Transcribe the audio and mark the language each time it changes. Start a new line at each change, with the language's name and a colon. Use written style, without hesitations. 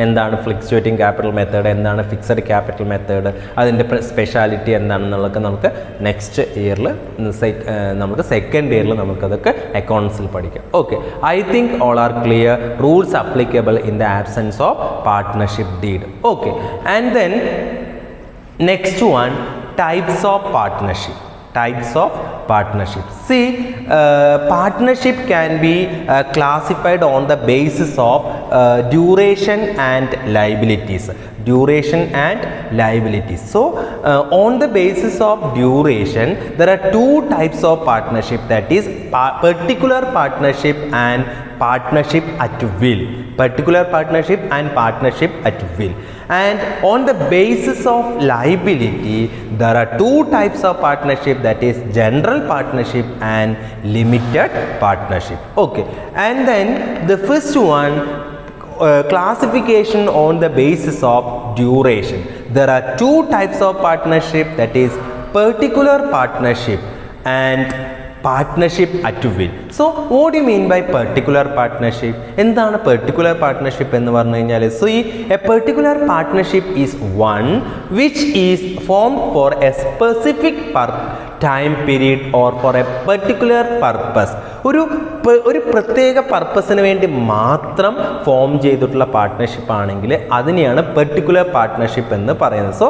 Malayalam: എന്താണ് fluctuating capital method, എന്താണ് fixed capital method, അതിൻ്റെ സ്പെഷ്യാലിറ്റി എന്താണെന്നുള്ളതൊക്കെ നമുക്ക് നെക്സ്റ്റ് ഇയറിൽ നമുക്ക് സെക്കൻഡ് ഇയറിൽ നമുക്കതൊക്കെ അക്കൗണ്ട്സിൽ പഠിക്കാം. Okay.
English: I think all are clear. Rules applicable in the absence of partnership deed. Okay. And then next one, types of partnership. Types of partnership. See, partnership can be classified on the basis of duration and liabilities. Duration and liabilities. So, on the basis of duration, there are two types of partnership. That is, particular partnership and partnership at will. Particular partnership and partnership at will. And on the basis of liability, there are two types of partnership, that is general partnership and limited partnership. Okay. And then the first one, classification on the basis of duration. There are two types of partnership, that is particular partnership and partnership at will. So what do you mean by particular partnership?
Malayalam: എന്താണ് particular partnership എന്ന് പറഞ്ഞു കഴിഞ്ഞാൽ,
English: So ഈ a particular partnership is one which is form for a specific time period or for a particular purpose.
Malayalam: ഒരു പ്രത്യേക പർപ്പസിന് വേണ്ടി മാത്രം ഫോം ചെയ്തിട്ടുള്ള പാർട്ട്ണർഷിപ്പ് ആണെങ്കിൽ അതിനെയാണ് പെർട്ടിക്കുലർ പാർട്ട്ണർഷിപ്പ് എന്ന് പറയുന്നത്.